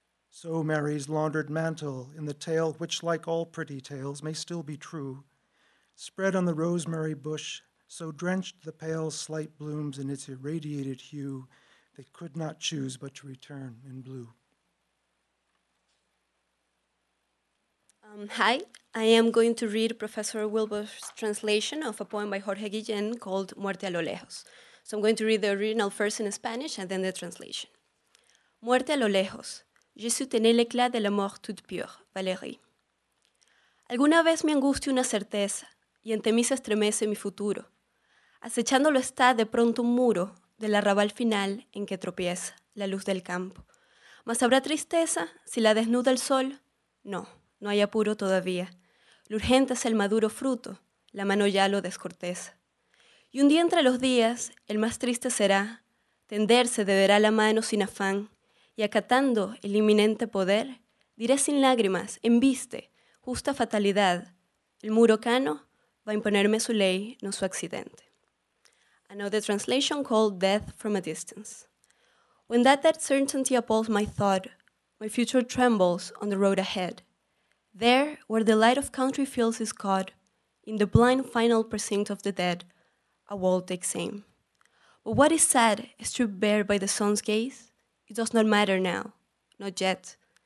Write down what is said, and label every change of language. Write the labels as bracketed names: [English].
[English] So Mary's laundered mantle in the tale, which like all pretty tales may still be true, spread on the rosemary bush, so drenched the pale slight blooms in its irradiated hue, they could not choose but to return in blue. Hi, I am going to read Professor Wilbur's translation of a poem by Jorge Guillén called Muerte a lo lejos. So I'm going to read the original first in Spanish and then the translation. [Spanish] Muerte a lo lejos. [French] Je soutenais l'éclat de la mort toute pure, Valérie. [Spanish] Alguna vez me angustia una certeza y ante mí se estremece mi futuro. Acechándolo está de pronto un muro del arrabal final en que tropieza la luz del campo. ¿Mas habrá tristeza si la desnuda el sol? No. No hay apuro todavía. Lo urgente es el maduro fruto, la mano ya lo descorteza. Y un día entre los días, el más triste será, tenderse deberá la mano sin afán, y acatando el inminente poder, diré sin lágrimas, embiste, justa fatalidad, el muro cano va a imponerme su ley, no su accidente. [English] Another translation called Death from a Distance. When that dead certainty appalls my thought, my future trembles on the road ahead. There, where the light of country fields is caught, in the blind final precinct of the dead, a wall takes aim. But what is sad, stripped bare by the sun's gaze, it does not matter now, not yet.